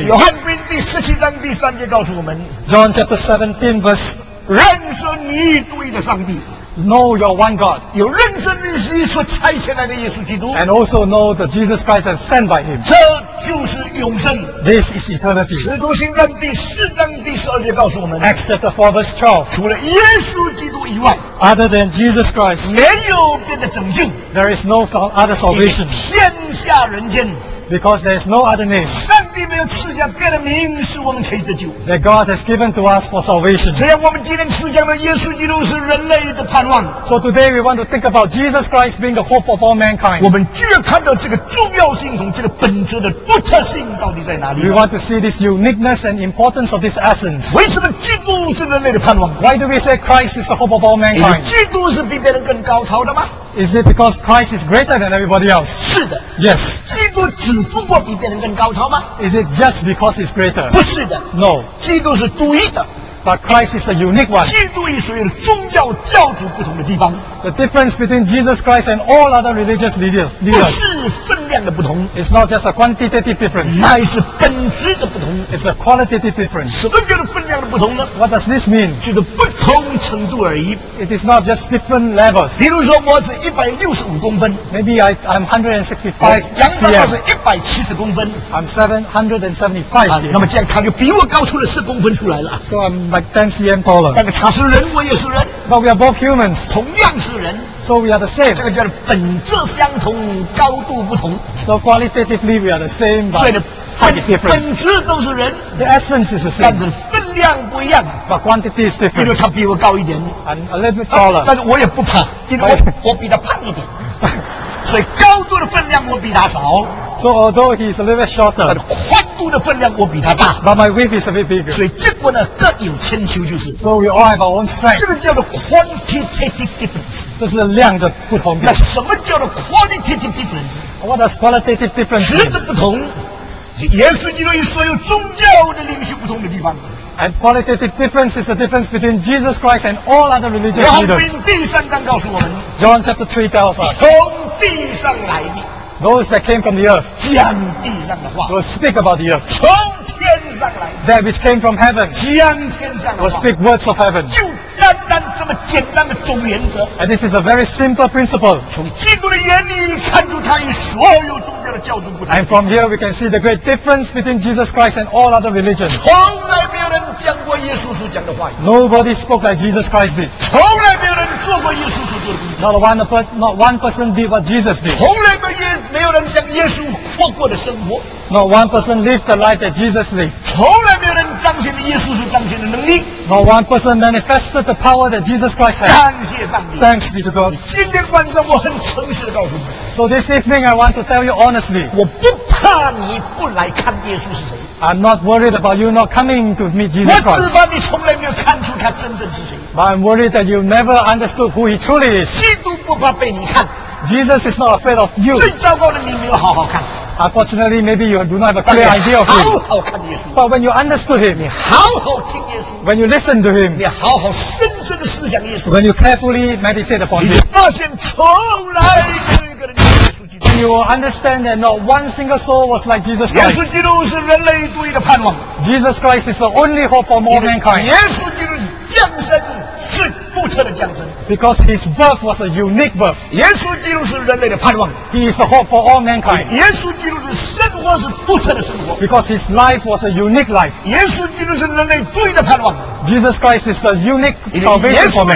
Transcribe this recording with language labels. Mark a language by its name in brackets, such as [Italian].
[Chinese] 约翰福音第十七章第三节告诉我们。 [English] John chapter 17 verse. [Chinese] 认识你一对的上帝。 [English] Know your one God. [Chinese] 有认识你是所差遣来的耶稣基督。 [English] And also know the Jesus Christ that sent by him. [Chinese] 这就是永生。 [English] This is eternity. [Chinese] 使徒行传第四章第十二节告诉我们。 [English] Acts chapter 4 verse 12. [Chinese] 除了耶稣基督以外。 [English] Other than Jesus Christ. [Chinese] 没有别的拯救。 [English] There is no other salvation. [Chinese] 天下人间。 [English] Because there is no other name. [Chinese] 上帝没有赐下别的名使我们可以得救。 [English] That God has given to us for salvation. [Chinese] 只要我们今天赐下的耶稣基督是人类的盼望。 [English] So today we want to think about Jesus Christ being the hope of all mankind. [Chinese] 我们就要看到这个重要性和这个本质的独特性到底在哪里。 [English] We want to see this uniqueness and importance of this essence. [Chinese] 为什么基督是人类的盼望？ [English] Why do we say Christ is the hope of all mankind? [Chinese] 基督是比别人更高超的吗？ [English] Is it because Christ is greater than everybody else? [Chinese] 是的。 [English] Yes. [Chinese] 基督只不过比别人更高超吗？ [English] Is it just because he's greater? [Chinese] 不是的。 [English] No. [Chinese] 基督是独一的。 [English] But Christ is a unique one. [Chinese] 基督与所有的宗教教主不同的地方。 [English] The difference between Jesus Christ and all other religious leaders. [Chinese] 不是分量的不同。 [English] It's not just a quantitative difference. [Chinese] 乃是本质的不同。 [English] It's a qualitative difference. [Chinese] 什么叫做分量的不同呢？ [English] What does this mean? [Chinese] 就是不同程度而已。 [English] It is not just different levels. [Chinese] 比如说我是165公分。 [English] Maybe I'm 165 cm. [Chinese] 杨大是170公分。 [English] I'm 775 cm. [Chinese] 那么这样他就比我高出了10公分出来了。 [English] So I'm like 10 cm taller. [Chinese] 但是他是人，我也是人。 [English] But we are both humans. [Chinese] 同样是人。 [English] So we are the same. [Chinese] 这个叫做本质相同，高度不同。 [English] So qualitatively we are the same, but height is different. [Chinese] 本质都是人。 [English] The essence is the same. [Chinese] 但是分量不一样。 [English] But quantity is different. [Chinese] 因为他比我高一点。 [English] And a little bit taller. [Chinese] 但是我也不怕，因为我比他胖一点。所以高度的分量我比他少。 [English] So although he is a little bit shorter, [Chinese] 但宽度的分量我比他大。 [English] But my width is a bit bigger. [Chinese] 所以结果呢，各有千秋就是。 [English] So we all have our own strength. [Chinese] 这个叫做 [English] quantitative difference. [Chinese] 这是量的不同点。那什么叫做 [English] qualitative difference? What does qualitative difference? [Chinese] 质的不同，耶稣基督与所有宗教的领袖不同的地方。 [English] And qualitative difference is the difference between Jesus Christ and all other religious leaders. [Chinese] 约翰福音第三章告诉我们。 [English] John chapter 3 tells us. [Chinese] 从地上来的。 [English] those that came from the earth, [Chinese] 将地上的话 [English] will speak about the earth, [Chinese] 从天上来 [English] that which came from heaven, [Chinese] 将天上的话 [English] will speak words of heaven. [Chinese] 就单单这么简单的总原则 [English] and this is a very simple principle. [Chinese] 从基督的眼里看出他与所有宗教的教宗不同 [English] and from here we can see the great difference between Jesus Christ and all other religions. [Chinese] 从来没有人讲过耶稣所讲的话语 [English] nobody spoke like Jesus Christ did. [Chinese] 从来没有人做过耶稣所做的工作 [English] Not one person did what Jesus did. [Chinese] 从来没有人像耶稣活过的生活。 [English] Not one person lived the life that Jesus lived. [Chinese] 从来没有人彰显了耶稣所彰显的能力。 [English] Not one person manifested the power that Jesus Christ had. [Chinese] 感谢上帝。 [English] Thanks be to God. [Chinese] 今天晚上我很诚实地告诉你。 [English] So this evening I want to tell you honestly. [Chinese] 我不怕你不来看耶稣是谁。 [English] I'm not worried about you not coming to meet Jesus Christ. [Chinese] 我只怕你从来没有看出他真正是谁。 [English] But I'm worried that you never understood who he truly is. [Chinese] 基督不怕被你看。 [English] Jesus is not afraid of you. [Chinese] 最糟糕的你没有好好看。 [English] Unfortunately, maybe you do not have a clear idea of him. [Chinese] 好好看耶稣。 [English] But when you understood him, [Chinese] 你好好听耶稣。 [English] When you listen to him, [Chinese] 你好好深深地思想耶稣。 [English] When you carefully meditate upon him, [Chinese] 你发现从来没有一个人。 [English] You will understand that not one single soul was like Jesus Christ. [Chinese] 耶稣基督是人类独一的盼望。 [English] Jesus Christ is the only hope for all mankind. [Chinese] 耶稣基督降生是独特的降生。 [English] Because his birth was a unique birth. [Chinese] 耶稣基督是人类的盼望。 [English] He is the hope for all mankind. [Chinese] 耶稣基督的生活是独特的生活。 [English] Because his life was a unique life. [Chinese] 耶稣基督是人类独一的盼望。 [English] Jesus Christ is the unique salvation for man.